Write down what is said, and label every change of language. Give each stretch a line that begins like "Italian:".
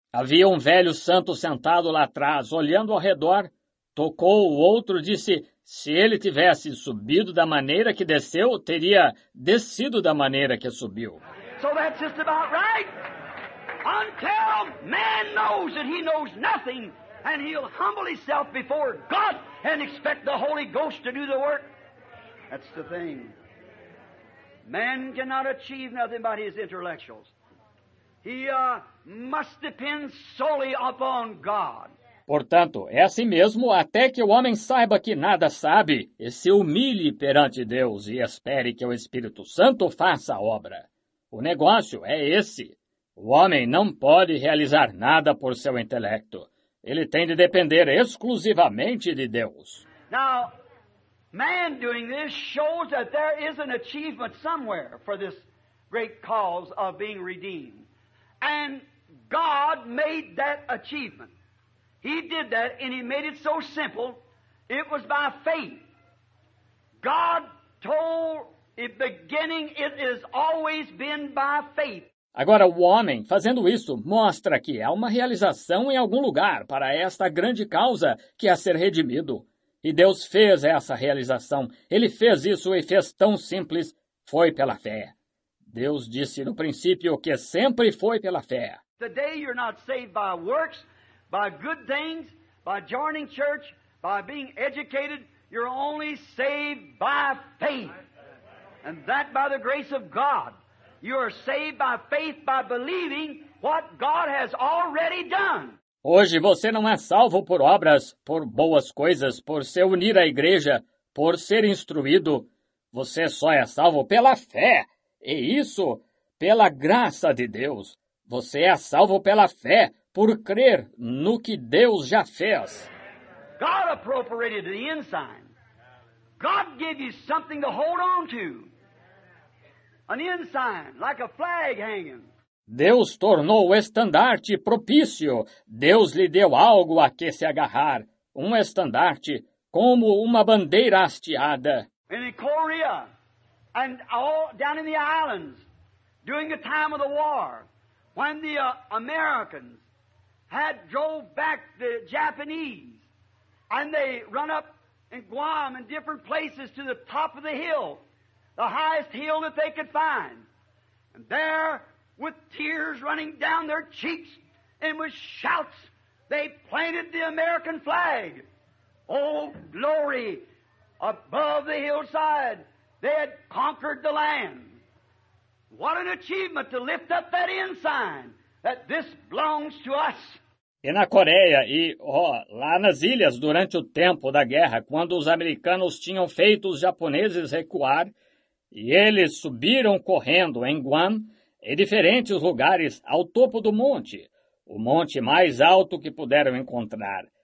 Portuguese: Havia um velho santo sentado lá atrás, olhando ao redor, tocou o outro, disse, se ele tivesse subido da maneira que desceu, teria descido da maneira que subiu.
English: So that's just about right. Until man knows that he knows nothing, and he'll humble himself before God and expect the Holy Ghost to do the work. That's the thing. Man cannot achieve nothing by his intellectuals. He must depend solely upon God.
Portuguese: Portanto, é assim mesmo até que o homem saiba que nada sabe e se humilhe perante Deus e espere que o Espírito Santo faça a obra. O negócio é esse. O homem não pode realizar nada por seu intelecto. Ele tem de depender exclusivamente de Deus.
English: Now, man doing this shows that there is an achievement somewhere for this great cause of being redeemed. And God made that achievement. He did that, and he made it so simple, it was by faith. God told, in the beginning, it has always been by faith.
Portuguese: Agora, o homem, fazendo isso, mostra que há uma realização em algum lugar para esta grande causa que é ser redimido. E Deus fez essa realização. Ele fez isso e fez tão simples, foi pela fé. Deus disse no princípio que sempre foi pela fé.
English: Today you're not saved by works, by good things, by joining church, by being educated. You're only saved by faith. And that by the grace of God. You are saved by faith, by believing what God has already done.
Portuguese: Hoje você não é salvo por obras, por boas coisas, por se unir à igreja, por ser instruído. Você só é salvo pela fé. E isso, pela graça de Deus. Você é salvo pela fé, por crer no que Deus já fez.
English: God appropriated the ensign. God gave you something to hold on to. An ensign, like a flag hanging.
Portuguese: Deus tornou o estandarte propício. Deus lhe deu algo a que se agarrar. Um estandarte, como uma bandeira hasteada.
English: In Korea. And all down in the islands, during the time of the war, when the Americans had drove back the Japanese, and they run up in Guam and different places to the top of the hill, the highest hill that they could find. And there, with tears running down their cheeks and with shouts, they planted the American flag. Oh, glory, above the hillside. They had conquered the land. What an achievement to lift up that ensign that this belongs to us.
Portuguese: E na Coreia e, lá nas ilhas, durante o tempo da guerra, quando os americanos tinham feito os japoneses recuar, e eles subiram correndo em Guam e diferentes lugares ao topo do monte, o monte mais alto que puderam encontrar.